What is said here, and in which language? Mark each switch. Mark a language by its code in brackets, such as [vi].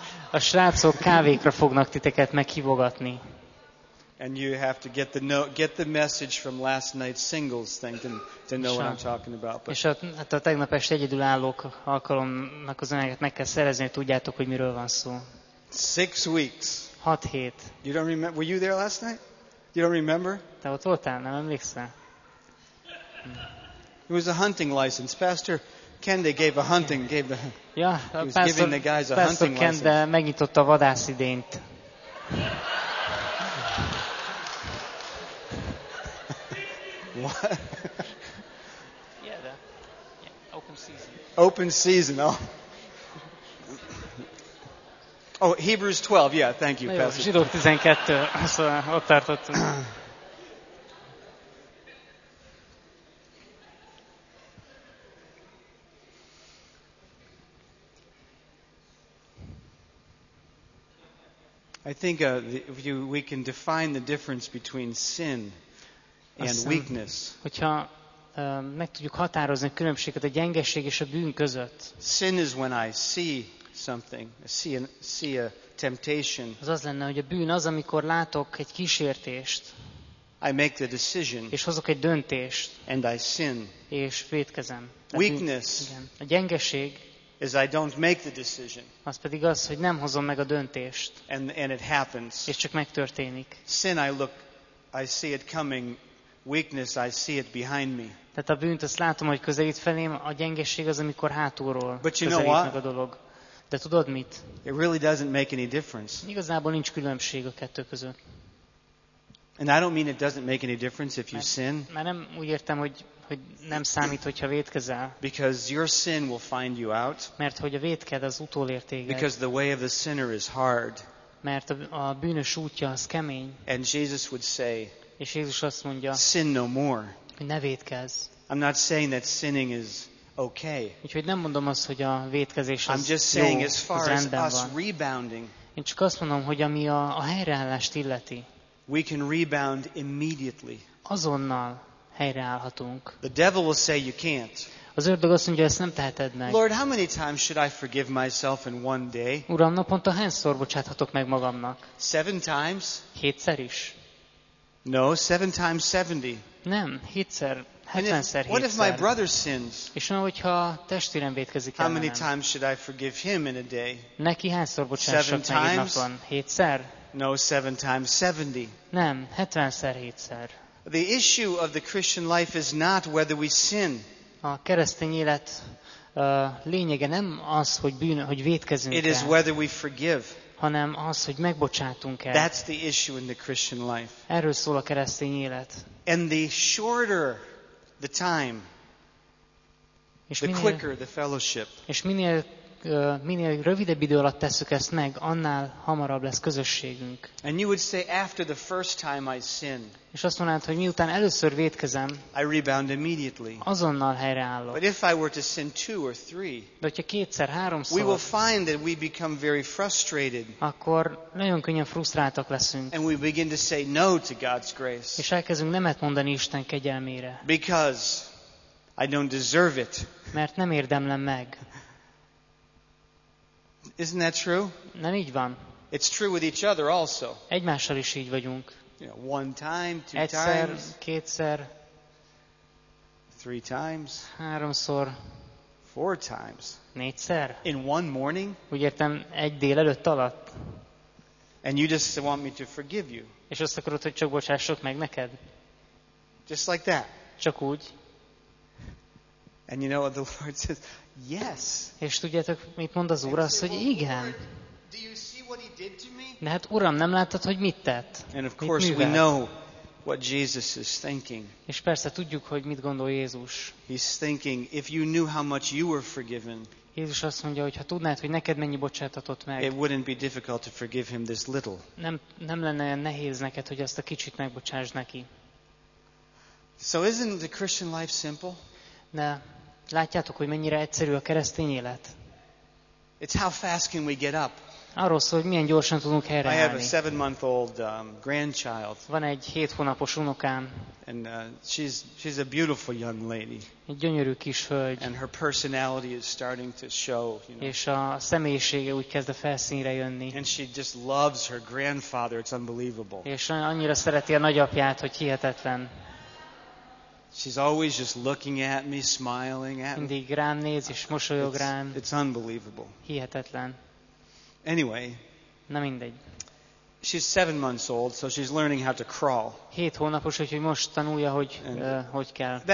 [hu] A srácok kávékra fognak titeket meghívogatni. [en] And you have to get the message from last night's singles thing to know what I'm talking about. [hu] És a tegnap este egyedülállók alkalomnak az anyagát meg kell szerezni, hogy tudjátok, hogy miről van szó. [en] 6 weeks. [hu] 6 hét. [en] You don't remember? Were you there last night? You don't remember? [hu] Te ott voltál, nem emlékszel? [en] It was a hunting license. Pastor Kende gave a hunting, gave the. Yeah, he was giving the guys a hunting license. [hu] Pastor Kende megnyitotta a vadászidényt. [en] Yeah, open season. Open season. Oh, Hebrews 12. Yeah, thank you, Pastor. [hu] Zsidók 12. Szóval ott tartottunk. [en] I think we can define the difference between sin and weakness. [hu] Hogyha meg tudjuk határozni a különbséget a gyengeség és a bűn között. [en] Sin is when I see something, see a temptation. [hu] Az lenne, hogy a bűn az, amikor látok egy kísértést. [en] I make the decision. [hu] És hozok egy döntést. [en] And I sin. [hu] És vétkezem. [en] Weakness. [hu] Igen. A gyengeség. [en] Is I don't make the decision. [hu] Az pedig az, hogy nem hozom meg a döntést. [en] And it happens. [hu] És csak megtörténik. [en] Sin, I see it coming. Weakness, I see it behind me. [hu] Tehát a bűnt azt látom, hogy közelít felém, a gyengesség az, amikor hátulról közelít meg a dolog. De tudod mit? [en] It really doesn't make any difference. [hu] Igazából nincs különbség a kettő között. [en] And I don't mean it doesn't make any difference if you sin. [hu] Mert nem úgy értem, hogy nem számít, hogyha vétkezel. [en] Because your sin will find you out. [hu] Mert hogy a vétked az utolér téged. [en] Because the way of the sinner is hard. [hu] Mert a bűnös útja az kemény. [en] And Jesus would say, [hu] és Jézus azt mondja, [en] sin no more. [hu] Hogy ne vétkezz. [en] I'm not saying that sinning is okay. [hu] Úgyhogy nem mondom azt, hogy a vétkezés az [en] I'm just saying [hu] jó, [en] as far as [hu] van. [en] Us rebounding. [hu] Én csak azt mondom, hogy ami a helyreállást illeti. [en] We can rebound immediately. [hu] Azonnal helyreállhatunk. [en] The devil will say you can't. [hu] Az ördög azt mondja, ezt nem teheted meg. [en] Lord, how many times should I forgive myself in one day? [hu] Uram, naponta hányszor bocsáthatok meg magamnak? [en] 7 times? [hu] 7-szer is. [en] No, 7 times 70. [hu] Nem, 7-szer, 70-szer. [en] What if my brother sins? [hu] És mi, hogyha testvérem vétkezik el? [en] How many times should I forgive him in a day? [hu] Neki hányszor bocsássak meg egy napon? 7-szer? [en] No, 7 times 70. [hu] Nem, 70-szer, 7-szer. [en] The issue of the Christian life is not whether we sin. [hu] A keresztény élet lényege nem az, hogy vétkezünk-e. [en] It is whether we forgive. [hu] Hanem az, hogy megbocsátunk-e. [en] That's the issue in the Christian life. [hu] Erről szól a keresztény élet. [en] And the shorter the time, the quicker the fellowship. [hu] És minél minél rövidebb idő alatt tesszük ezt meg, annál hamarabb lesz közösségünk. [en] And you would say after the first time I sin. [hu] És azt mondanád, hogy miután először vétkezem, [en] I rebound immediately. [hu] Azonnal helyreállok. [en] But if I were to sin two or three. [hu] De hogyha kétszer, háromszor. [en] We will find that we become very frustrated. [hu] Akkor nagyon könnyen frusztráltak leszünk. [en] And we begin to say no to God's grace. [hu] És elkezdünk nemet mondani Isten kegyelmére. [en] Because I don't deserve it. [hu] Mert nem érdemlem meg. [en] Isn't that true? [hu] Nem így van. [en] It's true with each other also. [hu] Egymással is így vagyunk. [en] You know, one time, two [hu] egyszer, [en] times. [hu] Kétszer. [en] Three times. [hu] Háromszor. [en] Four times. [hu] Négyszer. [en] In one morning. [hu] Úgy értem, egy délelőtt alatt. [en] And you just want me to forgive you. [hu] És azt akarod, hogy csak bocsássak meg neked. [en] Just like that. [hu] Csak úgy. [en] And you know what the Lord says? Yes. [hu] És tudjátok, mit mond az Úr? Az, hogy igen. [en] Do you see what he did to me? [hu] De hát Uram, nem láttad, hogy mit tett? [en] And of course we know what Jesus is thinking. [hu] És persze tudjuk, hogy mit gondol Jézus. [en] He's thinking, if you knew how much you were forgiven. [hu] Jézus azt mondja, hogy ha tudnád, hogy neked mennyi bocsátatott meg. [en] It wouldn't be difficult to forgive him this little. [hu] Nem lenne nehéz neked, hogy ezt a kicsit megbocsásd neki. [en] So isn't the Christian life simple? [hu] De látjátok, hogy mennyire egyszerű a keresztény élet. [en] It's how fast can we get up. [hu] Arról szól, hogy milyen gyorsan tudunk helyreállni. [en] I have a 7-month-old grandchild. [hu] Van egy 7 hónapos unokám. [en] And she's a beautiful young lady. [hu] Egy gyönyörű kis hölgy. [en] And her personality is starting to show, you know. [hu] És a személyisége úgy kezd a felszínre jönni. [en] And she just loves her grandfather. It's unbelievable. [hu] És annyira szereti a nagyapját, hogy hihetetlen. [en] She's always just looking at me, smiling at me. [hu] Mindig rám néz és mosolyog rám. [en] It's unbelievable. [hu] Hihetetlen. [en] Anyway. [hu] Na mindegy. [en] She's 7 months old, so she's learning how to crawl. [hu] 7 hónapos, úgyhogy most tanulja, hogy hogy kell kúszni,